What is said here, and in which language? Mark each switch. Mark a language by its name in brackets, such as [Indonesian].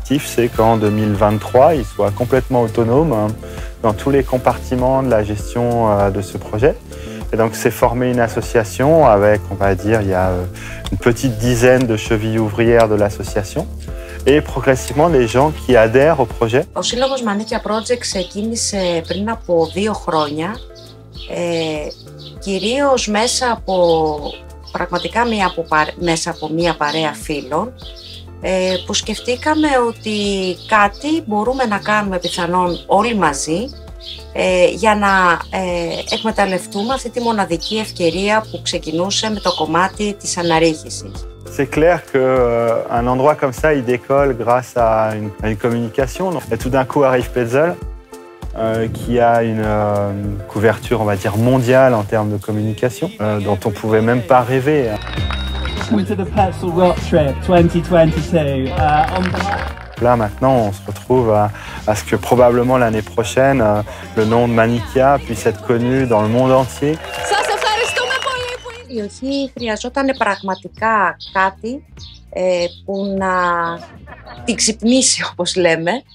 [French] L'objectif, c'est qu'en 2023, ils soient complètement autonomes dans tous les compartiments de la gestion de ce projet. Et donc c'est former une association avec, on va dire, il y a une petite dizaine de chevilles ouvrières de l'association. Et progressivement, les gens qui adhèrent au projet. [Greek] Ο σύλλογος Manikia Project ξεκίνησε πριν από 2 χρόνια, κυρίως μέσα από πραγματικά μια παρέα φίλων, που σκεφτήκαμε ότι κάτι μπορούμε να κάνουμε πιθανόν όλοι μαζί για να εκμεταλλευτούμε αυτή τη μοναδική ευκαιρία που ξεκινούσε με το κομμάτι της αναρρίχησης. [French] C'est clair qu'un endroit comme ça, il décolle grâce à une communication. Et tout d'un coup arrive Petzl, qui a une couverture, on va dire, mondiale en termes de communication, dont on ne pouvait même pas rêver. [English] Welcome to the Petzl RocTrip 2022. [French] Là, maintenant, on se retrouve à ce que probablement l'année prochaine, le nom de Manikia puisse être connu dans le monde entier. [Greek] Η περιοχή χρειαζόταν πραγματικά κάτι που να την ξυπνήσει, όπως λέμε.